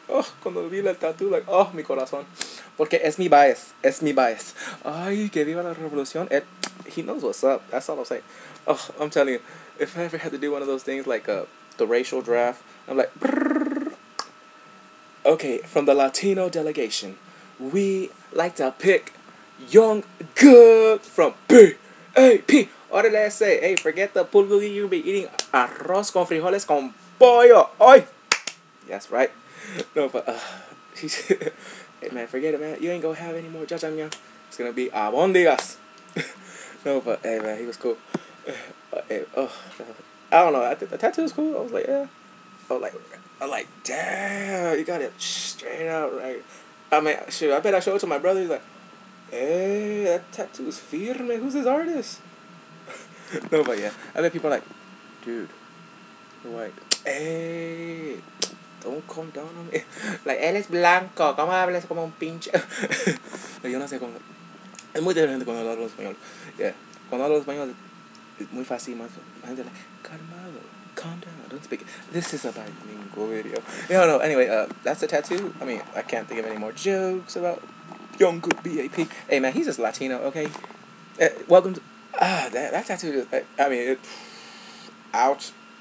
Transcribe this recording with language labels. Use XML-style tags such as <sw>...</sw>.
<es>Oh, cuando vi el tattoo, like, oh, mi corazón. Porque es mi bias. Es mi bias. Ay, que viva la revolución.</es> <en>It, he knows what's up. That's all I'm saying. Oh, I'm telling you. If I ever had to do one of those things, like the racial draft, I'm like, brrr. Okay, from the Latino delegation, we like to pick Jungkook from P.A.P. What did I say? Hey, forget the bulgogi, you'll be eating</en> <es>arroz con frijoles con pollo.</es> <en>Oy! That's right. No, but, hey man, forget it, man. You ain't gonna have any more jajangmyeon. It's gonna be abondigas. No, but, hey man, he was cool. I don't know. I think the tattoo is cool. I was like, yeah. I'm like, damn, you got it straight out right. I mean, shoot, I bet I show it to my brother. He's like, hey, that tattoo is firme. Who's this artist? No, but yeah. I bet people are like, dude, you're white. Hey, don't come down on me. Like,</en> <es>él es blanco. ¿Cómo hablas como un pinche? Yo no sé cómo. Es muy diferente cuando hablo español.</es> <en>Yeah.</en> <es>Cuando hablo español. Muy fácil, man.</es> <en>Like, calmado, calm down, don't speak. This is a bilingual video. No, no, anyway, that's a tattoo. I mean, I can't think of any more jokes about Jungkook BAP. Hey, man, he's just Latino, okay? Welcome to. That tattoo is. Ouch.</en>